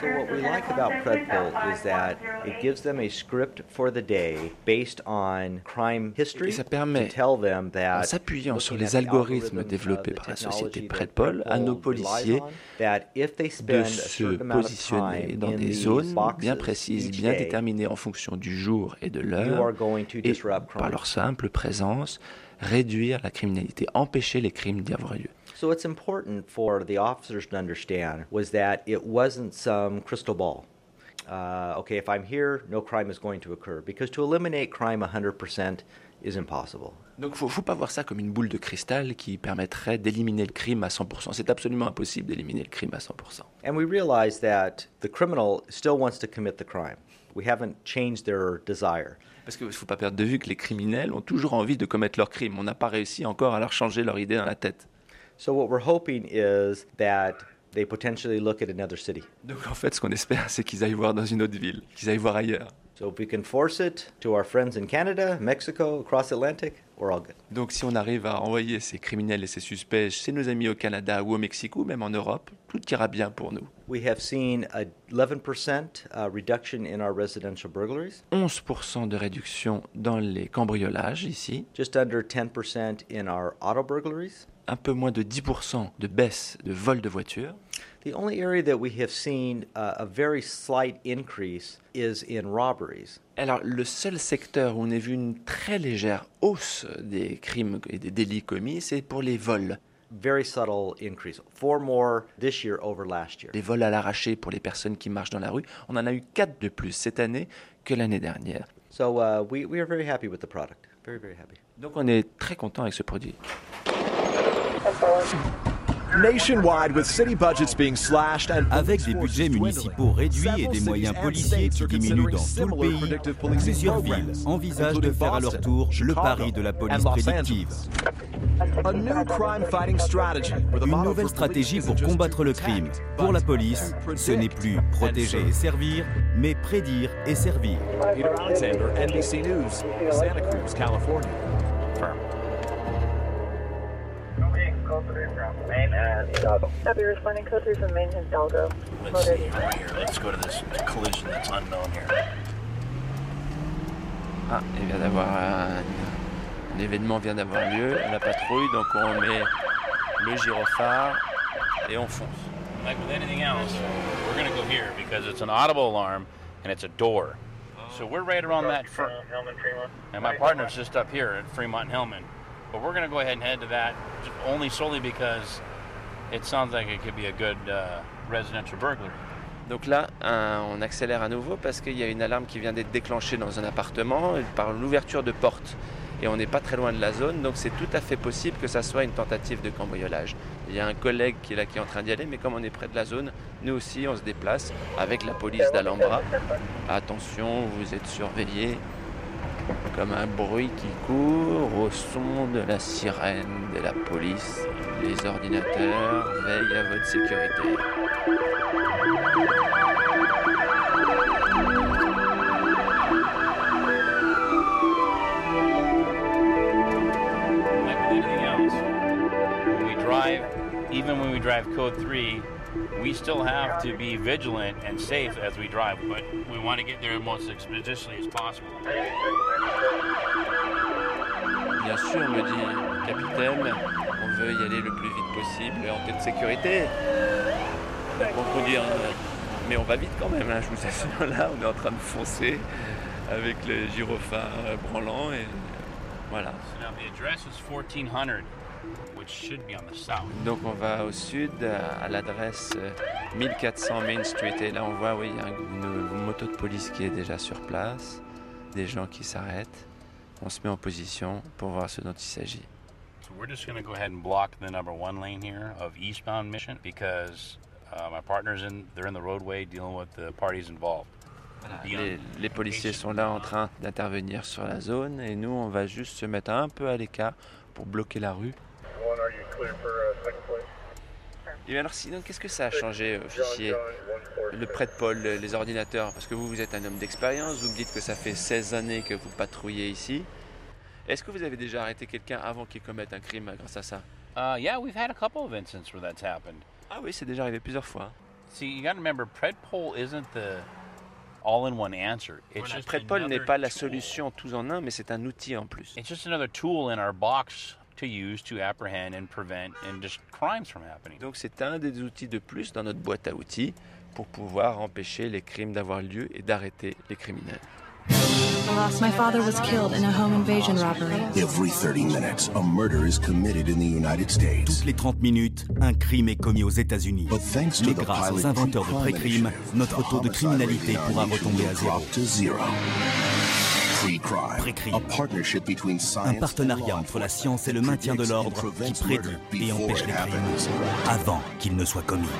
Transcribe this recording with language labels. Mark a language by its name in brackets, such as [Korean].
[English] So what we like about Predpol is that it gives them a script for the day based on crime history. [French] Et ça permet, en s'appuyant sur les algorithmes développés par la société Predpol, à nos policiers de se positionner dans des zones bien précises, bien déterminées en fonction du jour et de l'heure, et par leur simple présence, réduire la criminalité, empêcher les crimes d'y avoir lieu. [English] So what's important for the officers to understand was that it wasn't some crystal ball. Okay, if I'm here, no crime is going to occur. Because to eliminate crime 100% is impossible. [French] Donc il ne faut pas voir ça comme une boule de cristal qui permettrait d'éliminer le crime à 100%. C'est absolument impossible d'éliminer le crime à 100%. [English] And we realize that the criminal still wants to commit the crime. We haven't changed their desire. [French] Parce qu'il ne faut pas perdre de vue que les criminels ont toujours envie de commettre leur crime. On n'a pas réussi encore à leur changer leur idée dans la tête. [English] So what we're hoping is that they potentially look at another city. [French] Donc en fait, ce qu'on espère, c'est qu'ils aillent voir dans une autre ville, qu'ils aillent voir ailleurs. [English] So if we can force it to our friends in Canada, Mexico, across Atlantic, we're all good. [French] Donc si on arrive à envoyer ces criminels et ces suspects chez nos amis au Canada ou au Mexique, même en Europe, tout ira bien pour nous. [English] We have seen an 11% reduction in our residential burglaries. [French] 11% de réduction dans les cambriolages ici. [English] Just under 10% in our auto burglaries. [French] Un peu moins de 10% de baisse de vol de voiture. [English] The only area that we have seen a very slight increase is in robberies. [French] Alors, le seul secteur où on a vu une très légère hausse des crimes et des délits commis, c'est pour les vols. [English] Very subtle increase. 4 more this year over last year. [French] Les vols à l'arraché pour les personnes qui marchent dans la rue, on en a eu 4 de plus cette année que l'année dernière. [English] So we are very happy with the product. Very, very happy. [French] Donc on est très content avec ce produit. [English] Nationwide, with city budgets being slashed and [French] avec des budgets municipaux réduits et des moyens policiers qui diminuent dans tout le pays, plusieurs villes envisagent de faire à leur tour le pari de la police prédictive. [English] A new crime-fighting strategy. [French] Une nouvelle stratégie pour combattre le crime. Pour la police, ce n'est plus protéger et servir, mais prédire et servir. [English] Peter Alexander, NBC News, Santa Cruz, California. [French] Ah, il vient d'avoir un événement vient d'avoir lieu. La patrouille, donc on met le gyrophare et on fonce. [English] Like with anything else, we're gonna go here because it's an audible alarm and it's a door. So we're right around that. And my partner's just up here at Fremont and Hellman. But we're going to go ahead and head to that only solely because it sounds like it could be a good residential burglary. [French] Donc là, on accélère à nouveau parce qu'il y a une alarme qui vient d'être déclenchée dans un appartement par l'ouverture de porte. Et on n'est pas très loin de la zone, donc c'est tout à fait possible que ça soit une tentative de cambriolage. Il y a un collègue qui est là qui est en train d'y aller, mais comme on est près de la zone, nous aussi on se déplace avec la police d'Alhambra. Attention, vous êtes surveillés. Comme un bruit qui court au son de la sirène de la police. Les ordinateurs veillent à votre sécurité. [English] Like with anything else, when we drive, even when we drive code 3, we still have to be vigilant and safe as we drive, but we want to get there most expeditiously as possible. [French] Bien sûr, me dit le capitaine, on veut y aller le plus vite possible en toute sécurité. Pour vous dire, mais on va vite quand même, hein, je vous assure, là, on est en train de foncer avec le gyrophare branlant et voilà. [English] So now the address is 1400. Which should be on the south. [French] Donc on va au sud, à l'adresse 1400 Main Street. Et là on voit, oui, il y a une moto de police qui est déjà sur place. Des gens qui s'arrêtent. On se met en position pour voir ce dont il s'agit. [English] So we're just going to go ahead and block the number one lane here of eastbound Mission because my partner's in, they're in the roadway dealing with the parties involved. [French] Les policiers sont là en train d'intervenir sur la zone et nous, on va juste se mettre un peu à l'écart pour bloquer la rue. Et bien, alors sinon, qu'est-ce que ça a changé, officier, le prêt-de-pôle, les ordinateurs? Parce que vous êtes un homme d'expérience, vous me dites que ça fait 16 années que vous patrouillez ici. Est-ce que vous avez déjà arrêté quelqu'un avant qu'il commette un crime grâce à ça? [English] Yeah, we've had a couple of incidents where that's happened. [French] Ah oui, c'est déjà arrivé plusieurs fois. [English] See, you gotta remember, prêt-de-pôle isn't the... All in one answer. It's just [French] PredPol n'est pas la solution tout en un, mais c'est un outil en plus. [English] It's just another tool in our box to use to apprehend and prevent and just crimes from happening. [French] Donc c'est un des outils de plus dans notre boîte à outils pour pouvoir empêcher les crimes d'avoir lieu et d'arrêter les criminels. [English] Alas, my father was killed in a home invasion robbery. Every 30 minutes, a murder is committed in the United States. [French] Toutes les 30 minutes, un crime est commis aux États-Unis. [English] But thanks to [French] Mais grâce aux inventeurs de pré-crime, notre taux de criminalité pourra retomber à zéro. Pré-crime, un partenariat entre la science et le maintien de l'ordre qui prédit et empêche les crimes avant qu'ils ne soient commis.